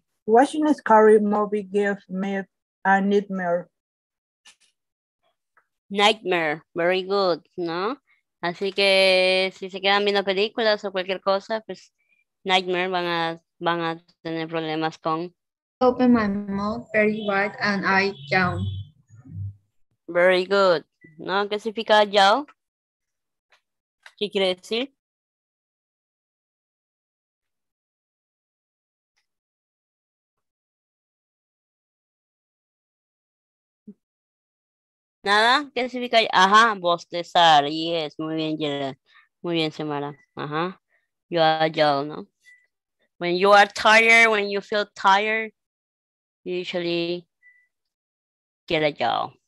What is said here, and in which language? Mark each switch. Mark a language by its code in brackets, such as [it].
[en] Watching a scary movie gives me a nightmare. Nightmare, very good, ¿no? [es] Así que si se quedan viendo películas o cualquier cosa, pues nightmare, van a tener problemas con. [en] Open my mouth very wide and I yawn. Very good. [es] ¿No? ¿Qué significa yao? ¿Qué quiere decir? ¿Nada? ¿Qué significa? Ajá, bostezar. Yes, muy bien, Jared. Muy bien, Semara. Ajá. Yo a yao, ¿no? [en] when you are tired, when you feel tired, you usually get a job.